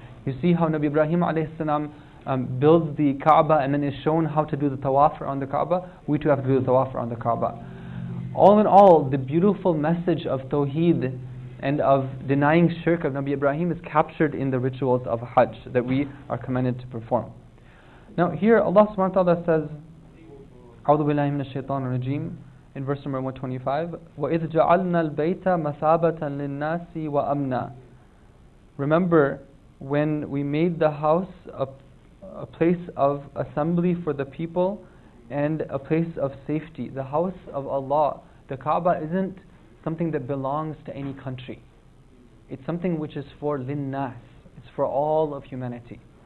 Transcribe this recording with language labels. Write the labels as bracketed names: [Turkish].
[English] You see how Nabi Ibrahim alayhi salam builds the Kaaba and then is shown how to do the tawaf around the Kaaba. We too have to do the tawaf around the Kaaba. All in all, the beautiful message of Tawheed and of denying shirk of Nabi Ibrahim is captured in the rituals of Hajj that we are commanded to perform. Now here Allah subhanahu wa ta'ala says, [Arabic] أَعُوذُ بِاللَّهِ مِنَ الشَّيْطَانِ الرَّجِيمِ [English] in verse number 125, [Arabic] وَإِذْ جَعَلْنَا الْبَيْتَ مَثَابَةً لِلنَّاسِ وَأَمْنًا. [English] Remember when we made the house a place of assembly for the people and a place of safety. The house of Allah, the Kaaba, isn't something that belongs to any country. It's something which is for linnas. It's for all of humanity.